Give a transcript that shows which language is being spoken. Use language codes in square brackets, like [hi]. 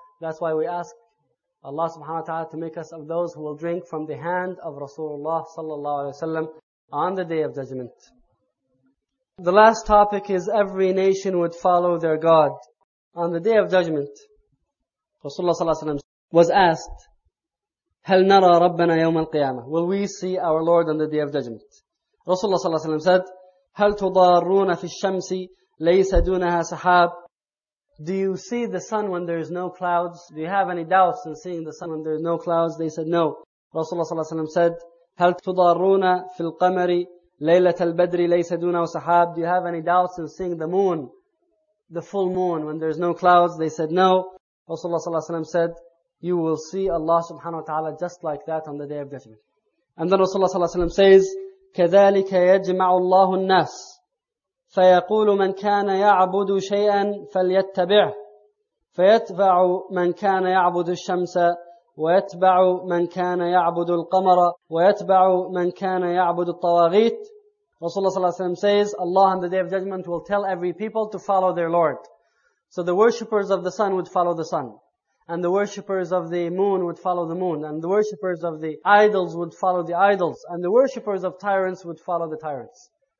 [en] That's why we ask Allah subhanahu wa ta'ala to make us of those who will drink from the hand of Rasulullah sallallahu alayhi wa sallam on the Day of Judgment. The last topic is every nation would follow their God. On the Day of Judgment, Rasulullah sallallahu alayhi wa sallam was asked, [ar] هَلْ نَرَى رَبَّنَا يَوْمَ الْقِيَامَةِ. [en] Will we see our Lord on the Day of Judgment? Rasulullah sallallahu alayhi wa sallam said, [ar] هَلْ تُضَارُونَ فِي الشَّمْسِ لَيْسَ دُونَهَا سَحَابٍ. [en] Do you see the sun when there is no clouds? Do you have any doubts in seeing the sun when there is no clouds? They said no. Rasulullah sallallahu alayhi wa sallam said, [ar] هَلْ تُضَارُونَ فِي الْقَمَرِ لَيْلَةَ الْبَدْرِ لَيْسَ دُونَ وَسَحَابٍ. [en] Do you have any doubts in seeing the moon, the full moon, when there is no clouds? They said no. Rasulullah sallallahu alayhi wa sallam said, you will see Allah subhanahu wa ta'ala just like that on the Day of Judgment. And then Rasulullah sallallahu alayhi wa sallam says, [ar] كَذَلِكَ يَجْمَعُ اللَّهُ النَّاسِ فَيَقُولُ مَنْ كَانَ يَعْبُدُ شَيْئًا فَلْيَتَّبِعُ فَيَتْبَعُ مَنْ كَانَ يَعْبُدُ الشَّمْسَ وَيَتْبَعُ مَنْ كَانَ يَعْبُدُ الْقَمَرَ وَيَتْبَعُ مَنْ كَانَ يَعْبُدُ الطَّوَاغِيتِ. [en] Rasulullah sallallahu alayhi wa sallam says, Allah on the Day of Judgment will tell every people to follow their Lord. So the worshippers of the sun would follow the sun, and the worshippers of the moon would follow the moon, and the worshippers of the idols would follow the idols, and the worshippers of tyrants would follow the tyrants.